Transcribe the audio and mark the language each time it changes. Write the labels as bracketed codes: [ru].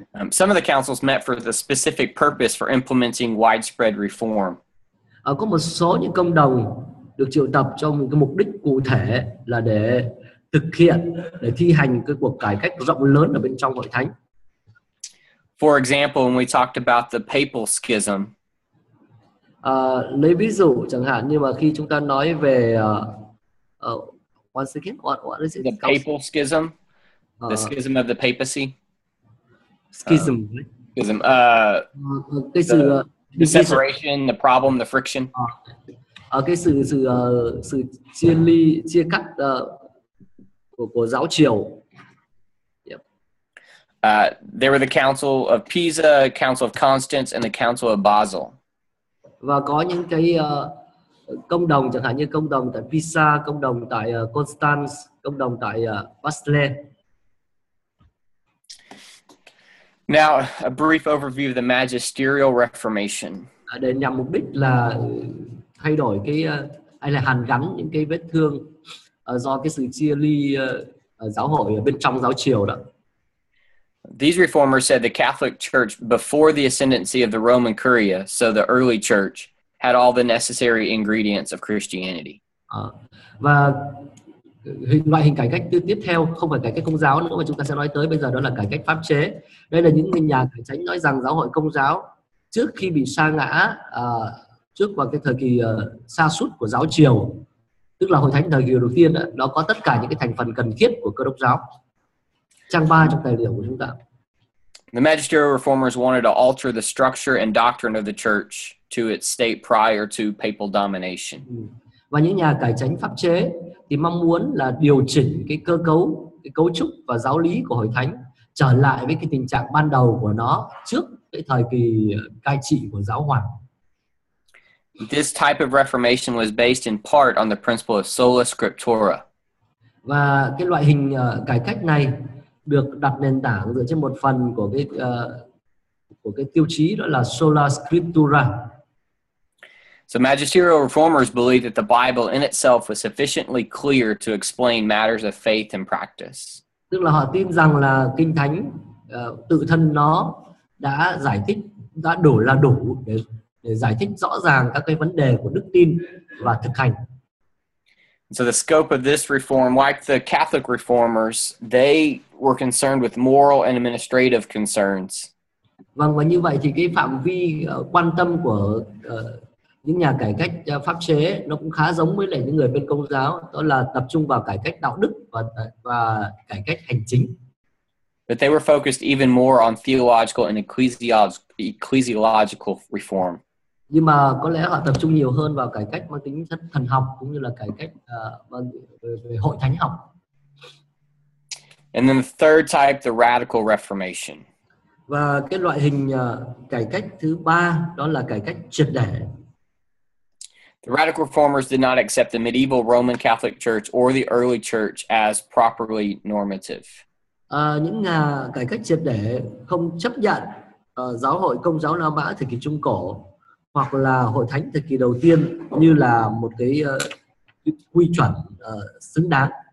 [en] Some of the councils met for the specific purpose for implementing widespread reform. [vi] Có một số những cộng đồng được triệu tập cho một cái mục đích cụ thể là để thực hiện, để thi hành cái cuộc cải cách rộng lớn ở bên trong hội thánh. [en] For example, when we talked about the papal schism. [vi] Lấy ví dụ chẳng hạn như mà khi chúng ta nói về [en] what is it? The papal schism. The schism of the papacy. Schism. Schism. The separation, the problem, the friction. [vi] Cái sự chia cắt của giáo triều. [en] There were the Council of Pisa, Council of Constance, and the Council of Basel. [vi] Và có những cái cộng đồng, chẳng hạn như cộng đồng tại Pisa, cộng đồng tại Constance, cộng đồng tại Basel. [en] Now, a brief overview of the Magisterial Reformation. [vi] Để nhằm mục đích là thay đổi cái hay là hàn gắn những cái vết thương do cái sự chia ly giáo hội bên trong giáo triều đó. [en] These reformers said the Catholic Church before the ascendancy of the Roman Curia, so the early church, had all the necessary ingredients of Christianity. [vi] Và loại hình cải cách tiếp theo không phải cải cách Công giáo nữa mà chúng ta sẽ nói tới bây giờ đó là cải cách pháp chế. Đây là những nhà cải chánh nói rằng giáo hội Công giáo trước khi bị sa ngã trước vào cái thời kỳ sa sút của giáo triều, tức là hội thánh thời kỳ đầu tiên đó, nó có tất cả những cái thành phần cần thiết của Cơ Đốc giáo. Trang 3 trong tài liệu của chúng ta. [en] The magisterial reformers wanted to alter the structure and doctrine of the church to its state prior to papal domination. [vi] Và những nhà cải chánh pháp chế thì mong muốn là điều chỉnh cái cơ cấu, cái cấu trúc và giáo lý của hội thánh trở lại với cái tình trạng ban đầu của nó trước cái thời kỳ cai trị của giáo hoàng. [en] This type of reformation was based in part on the principle of sola scriptura. [vi] Và cái loại hình cải cách này được đặt nền tảng dựa trên một phần của cái tiêu chí đó là sola scriptura. [en] So magisterial reformers believed that the Bible in itself was sufficiently clear to explain matters of faith and practice. [vi] Tức là họ tin rằng là Kinh Thánh tự thân nó đã giải thích đã đủ là đủ để giải thích rõ ràng các cái vấn đề của đức tin và thực hành. [en] So the scope of this reform, like the Catholic reformers, they were concerned with moral and administrative concerns. [vi] Vâng, và như vậy thì cái phạm vi quan tâm của những nhà cải cách pháp chế nó cũng khá giống với lại những người bên Công giáo, đó là tập trung vào cải cách đạo đức và cải cách hành chính. [en] But they were focused even more on theological and ecclesiological reform. [vi] Nhưng mà có lẽ họ tập trung nhiều hơn vào cải cách mang tính chất thần học cũng như là cải cách về hội thánh học. [en] And then the third type, the radical reformation. [vi] Và cái loại hình cải cách thứ ba đó là cải cách triệt để. [en] The radical reformers did not accept the medieval Roman Catholic Church or the early church as properly normative. [vi] Những nhà cải cách triệt để không chấp nhận giáo hội Công giáo La Mã thời kỳ Trung cổ hoặc là hội thánh thời kỳ đầu tiên như là một cái quy chuẩn xứng đáng.